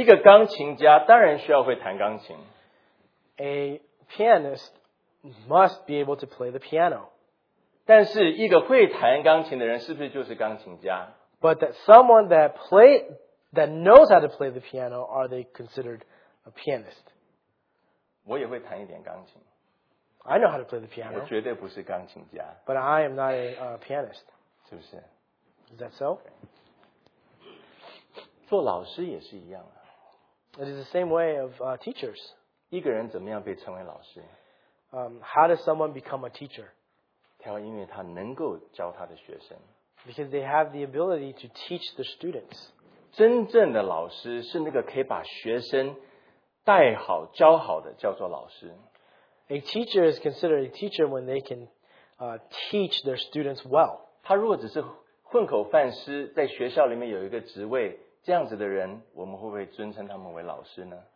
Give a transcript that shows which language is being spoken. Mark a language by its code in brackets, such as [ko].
[zh] 一个钢琴家当然需要会弹钢琴。 [en] A pianist must be able to play the piano. [zh] 但是一个会弹钢琴的人是不是就是钢琴家？ [en] But that someone that play, that knows how to play the piano, are they considered a pianist? [zh] 我也会弹一点钢琴。 [en] I know how to play the piano. [zh] 我绝对不是钢琴家。 [en] But I am not a pianist. [zh] 是不是？ [en] Is that so? [zh] 做老师也是一样啊。 [en] It is the same way of teachers. [zh] 一个人怎么样被称为老师？ [en] How does someone become a teacher? [zh] 因为他能够教他的学生。 [en] Because they have the ability to teach the students. [zh] 真正的老师是那个可以把学生带好、教好的，叫做老师。 [en] A teacher is considered a teacher when they can teach their students well. [zh] 他如果只是混口饭吃，在学校里面有一个职位，这样子的人，我们会不会尊称他们为老师呢？